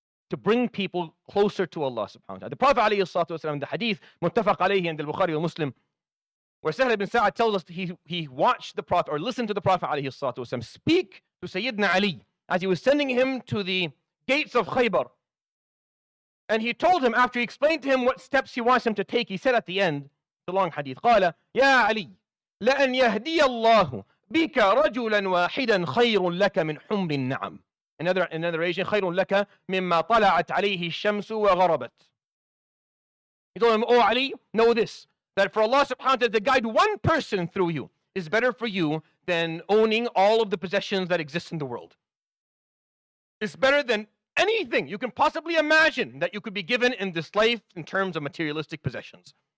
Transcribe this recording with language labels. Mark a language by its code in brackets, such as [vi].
[en] To bring people closer to Allah subhanahu wa ta'ala. The Prophet alayhi salatu in the hadith, muttafaq alayhi and al-Bukhari al-Muslim, where Sahl ibn Sa'ad tells us he watched the Prophet or listened to the Prophet alayhi salatu wasalam speak to Sayyidina Ali as he was sending him to the gates of Khaybar. And he told him, after he explained to him what steps he wants him to take, he said at the end, the long hadith, [ar] قال, يا علي, لأن يهدي الله بك رجلا واحدا خير لك من حمر النعم. [en] Another reason, [ar] خير لك مما طلعت عليه الشمس وغربت. [en] He told him, Oh Ali, know this, that for Allah subhanahu wa ta'ala to guide one person through you is better for you than owning all of the possessions that exist in the world. It's better than anything you can possibly imagine that you could be given in this life in terms of materialistic possessions.